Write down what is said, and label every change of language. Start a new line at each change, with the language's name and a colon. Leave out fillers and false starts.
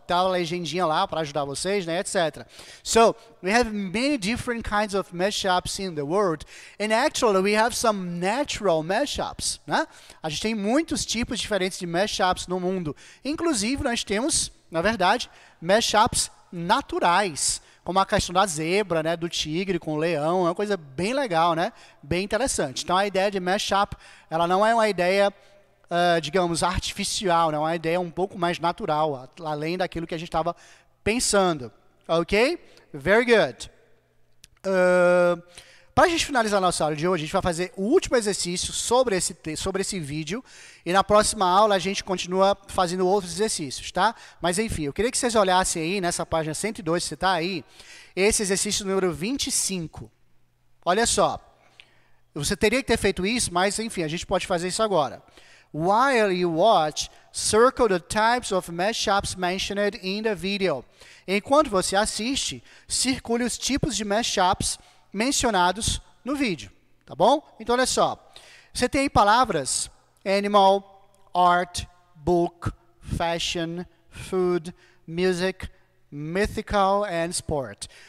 Portuguese: Tá a legendinha lá para ajudar vocês, né, etc.
English: So, we have many different kinds of mashups in the world. And actually, we have some natural mashups, né?
Portuguese: A gente tem muitos tipos diferentes de mashups no mundo. Inclusive, nós temos, na verdade, mashups naturais. Como a questão da zebra, né, do tigre com o leão, é uma coisa bem legal, né, bem interessante. Então, a ideia de mashup, ela não é uma ideia, digamos, artificial, né, é uma ideia um pouco mais natural, além daquilo que a gente estava pensando, Okay?
English: Very good.
Portuguese: Para a gente finalizar a nossa aula de hoje, a gente vai fazer o último exercício sobre esse vídeo. E na próxima aula a gente continua fazendo outros exercícios, tá? Mas enfim, eu queria que vocês olhassem aí nessa página 102, você está aí, esse exercício número 25. Olha só. Você teria que ter feito isso, mas enfim, a gente pode fazer isso agora.
English: While you watch, circle the types of mashups mentioned in the video.
Portuguese: Enquanto você assiste, circule os tipos de mashups mencionados no vídeo, tá bom? Então, olha só. Você tem aí palavras, animal, art, book, fashion, food, music, mythical and sport.